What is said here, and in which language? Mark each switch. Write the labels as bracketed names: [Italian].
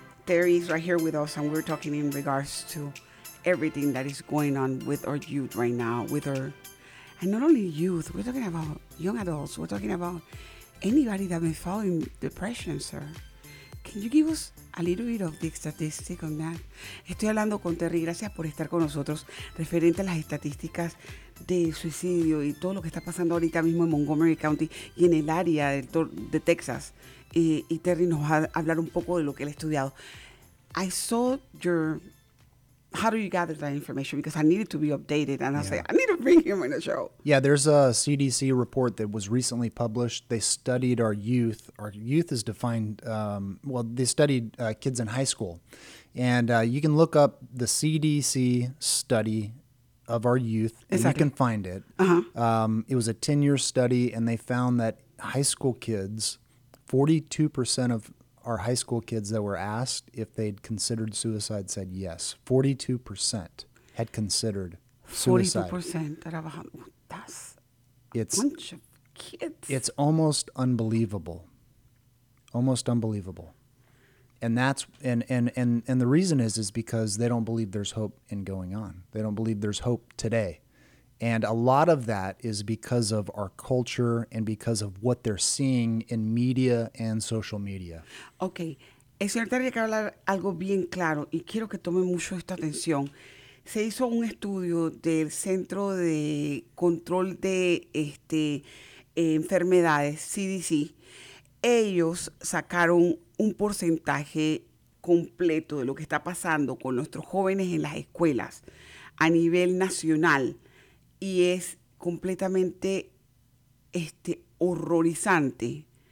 [English] Terry is right here with us, and we're talking in regards to everything that is going on with our youth right now, with our, and not only youth, we're talking about young adults, we're talking about anybody that may fall in depression, sir. Can you give us a little bit of the statistic on that? [Spanish] Estoy hablando con Terry, gracias por estar con nosotros, referente a las estadísticas de suicidio y todo lo que está pasando ahorita mismo en Montgomery County y en el área de Texas. Y Terry nos va a hablar un poco de lo que él ha estudiado. [English] I saw your, how do you gather that information? Because I needed to be updated and yeah. I said, I need to bring him on the show. Yeah, there's a CDC report that was recently published. They studied our youth. Our youth is defined, they studied kids in high school. And you can look up the CDC study of our youth, exactly. And you can find it. Uh-huh. It was a 10-year study, and they found that high school kids, 42% of our high school kids that were asked if they'd considered suicide said yes. 42% had considered suicide. 42%. That's a bunch of kids. It's almost unbelievable. Almost unbelievable. And that's and the reason is because they don't believe there's hope in going on. They don't believe there's hope today. And a lot of that is because of our culture and because of what they're seeing in media and social media. Okay. [Spanish] El señor Terry quiere hablar algo bien claro y quiero que tome mucho esta atención. Se hizo un estudio del Centro de Control de Enfermedades, CDC. Ellos sacaron un porcentaje completo de lo que está pasando con nuestros jóvenes en las escuelas a nivel nacional y es completamente horrorizante.